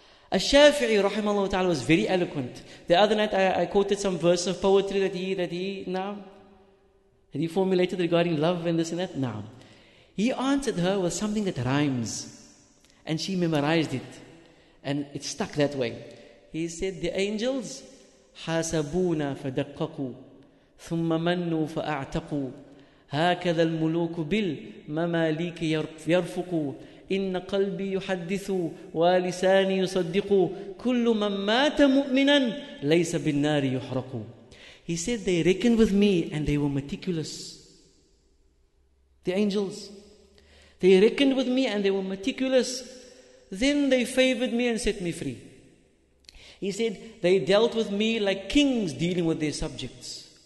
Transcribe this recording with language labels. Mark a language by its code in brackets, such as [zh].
[en] Al-Shafi'i rahimahullah ta'ala was very eloquent. The other night I quoted some verse of poetry that he formulated regarding love and this and that. Now, he answered her with something that rhymes and she memorized it and it stuck that way. He said, the angels [ar] حَاسَبُونَ فَدَقَّقُوا ثُمَّ مَنُّوا فَأَعْتَقُوا هَكَذَا الْمُلُوكُ بِالْمَمَالِيكِ يَرْفُقُوا إِنَّ قَلْبِي يُحَدِّثُ وَلِسَانِي يُصَدِّقُ كُلُّ مَنْ مَاتَ مُؤْمِنًا لَيْسَ بِالنَّارِ يُحْرَقُ. [en] He said, they reckoned with me and they were meticulous. The angels. They reckoned with me and they were meticulous. Then they favored me and set me free. He said, they dealt with me like kings dealing with their subjects.